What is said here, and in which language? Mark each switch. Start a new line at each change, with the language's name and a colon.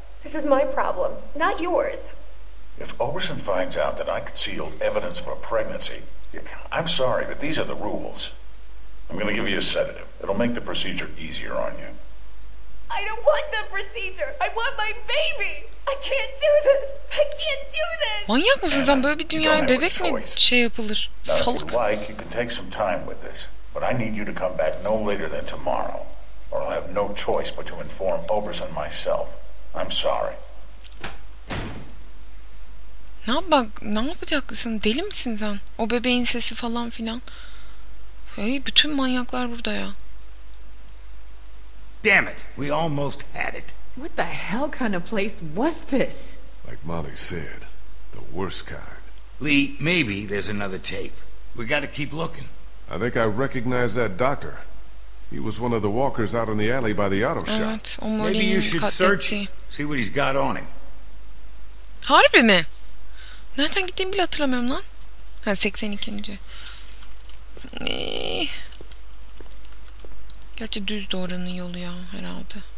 English: This is my problem, not yours. If Oberson finds out that I concealed evidence of a pregnancy, I'm sorry, but these are the rules. I'm going to give you a sedative. It'll make the procedure easier on you. I don't want the procedure. I want my baby. I can't do this. I can't do this.
Turkish: Manyak mısın sen? Böyle bir dünyaya bebek mi şey yapılır? Salak.
English: If you like, you can take some time with this. But I need you to come back no later than tomorrow. Or I'll have no choice but to inform Oberson myself. I'm sorry.
Turkish: Ne yapmak, ne yapacaksın? Deli misin sen? O bebeğin sesi falan filan. Hey, bütün manyaklar burada ya.
English: Damn it, we almost had it. What the hell kind of place was this? Like Molly said, the worst kind. Lee, maybe there's another tape. We gotta keep looking. I think I recognize that doctor. He was one of the walkers out in the alley by the auto shop. Maybe you should search, see what he's got on him.
Turkish: Harbi mi? Nereden gittiğimi bile hatırlamıyorum lan. Ha, 82. Gerçi düz doğranın yolu ya herhalde.